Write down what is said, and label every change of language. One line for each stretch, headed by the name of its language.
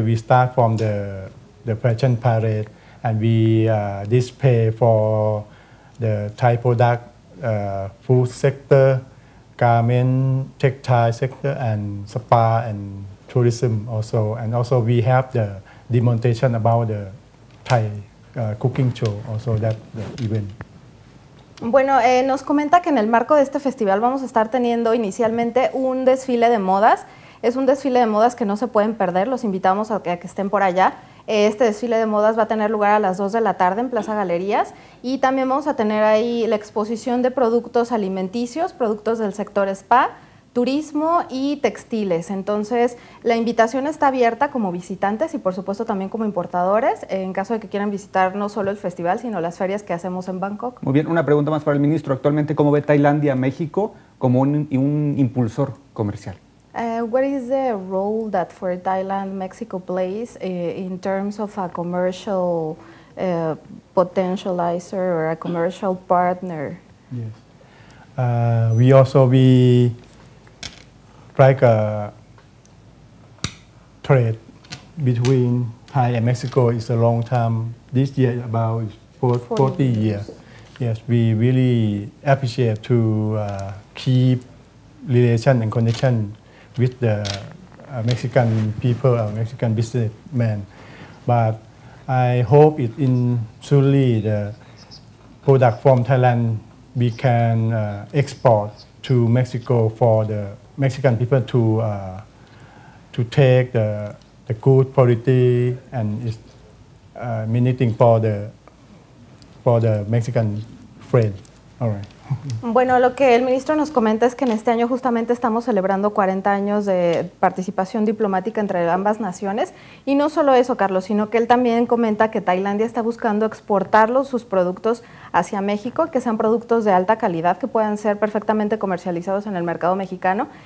English: We start from the fashion parade, and we display for the Thai product, food sector, garment, textile sector, and spa and tourism also. And also we have the demonstration about the Thai cooking show also, that the event.
Spanish: Bueno, nos comenta que en el marco de este festival vamos a estar teniendo inicialmente un desfile de modas. Es un desfile de modas que no se pueden perder. Los invitamos a que estén por allá. Este desfile de modas va a tener lugar a las 2 de la tarde en Plaza Galerías, y también vamos a tener ahí la exposición de productos alimenticios, productos del sector spa, turismo y textiles. Entonces, la invitación está abierta como visitantes y, por supuesto, también como importadores, en caso de que quieran visitar no solo el festival, sino las ferias que hacemos en Bangkok. Muy bien, una pregunta más para el ministro. Actualmente, ¿cómo ve Tailandia a México como un impulsor comercial?
English: What is the role that for Thailand Mexico plays in terms of a commercial potentializer or a commercial partner? Yes, we also be like a trade between Thai and Mexico is a long time. This year about 40 years. Yes, we really appreciate to keep relation and connection with the Mexican people or Mexican businessmen. But I hope it in truly the product from Thailand we can export to Mexico for the Mexican people to take the good quality, and it's many things for the Mexican friend. All right.
Spanish: Bueno, lo que el ministro nos comenta es que en este año justamente estamos celebrando 40 años de participación diplomática entre ambas naciones. Y no solo eso, Carlos, sino que él también comenta que Tailandia está buscando exportar sus productos hacia México, que sean productos de alta calidad que puedan ser perfectamente comercializados en el mercado mexicano.